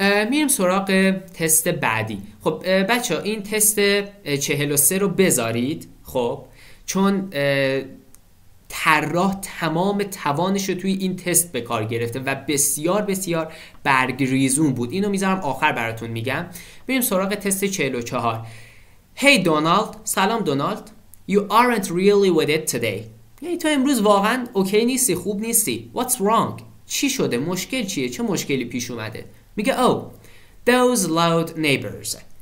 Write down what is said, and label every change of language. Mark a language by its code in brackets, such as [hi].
[fa] میریم سراغ تست بعدی. خب بچه ها این تست 43 رو بذارید، خب چون طراح تمام توانش رو توی این تست به کار گرفته و بسیار بسیار برگریزون بود. اینو میذارم آخر براتون میگم. بریم سراغ تست 44. [en] Hey Donald، [fa] سلام دونالد. [en] You aren't really with it today. [fa] یعنی تو امروز واقعا اوکی نیستی، خوب نیستی. [en] What's wrong؟ [fa] چی شده؟ مشکل چیه؟ چه مشکلی پیش اومده؟ میگه [en] oh، those loud neighbors.